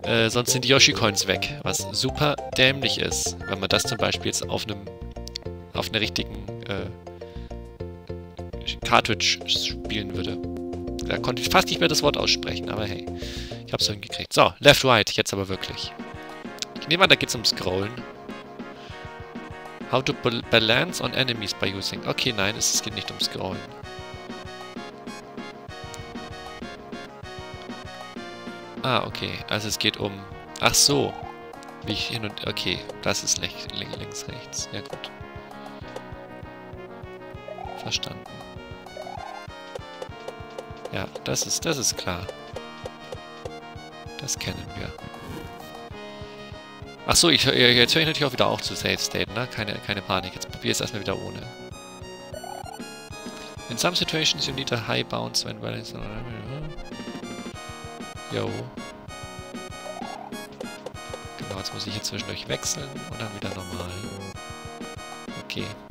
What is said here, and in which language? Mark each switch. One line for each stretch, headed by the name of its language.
German: Sonst sind die Yoshi-Coins weg, was super dämlich ist, wenn man das zum Beispiel jetzt auf einer richtigen Cartridge spielen würde. Da konnte ich fast nicht mehr das Wort aussprechen, aber hey, ich hab's hingekriegt. So, Left, Right, jetzt aber wirklich. Ich nehme an, da geht's um Scrollen.
English: How to balance on enemies by using.
German: Okay, nein, es geht nicht um Scrollen. Ah, okay, also es geht um. Ach so. Wie ich hin und. Okay, das ist links, rechts. Ja, gut. Verstanden. Ja, das ist klar. Das kennen wir. Ach so, jetzt höre ich natürlich auch wieder auf zu Save State, ne? Keine Panik. Jetzt probiere ich es erstmal wieder ohne.
English: In some situations you need a high bounce when balancing.
German: Jo. Genau, jetzt muss ich hier zwischendurch wechseln und dann wieder normal. Okay.